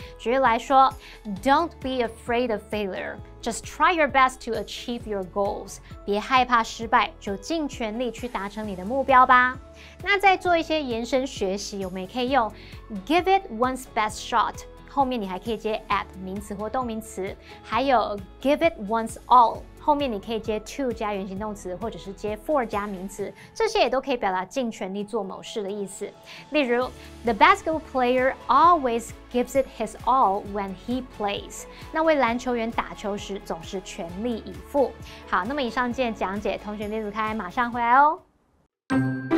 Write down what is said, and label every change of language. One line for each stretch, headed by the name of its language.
Chinese: 举例来说，
English: don't be afraid of failure, just try your best to achieve your goals.
Chinese: 别害怕失败，就尽全力去达成你的目标吧。那再做一些延伸学习，我们也可以用
English: give it one's best shot，
Chinese: 后面你还可以接 at 名词或动名词，还有
English: give it one's all。
Chinese: 后面你可以接 to 加原形动词，或者是接 for 加名词，这些也都可以表达尽全力做某事的意思。例如
English: ，The basketball player always gives it his all when he plays。
Chinese: 那位篮球员打球时总是全力以赴。好，那么以上见讲解，同学别走开，马上回来哦。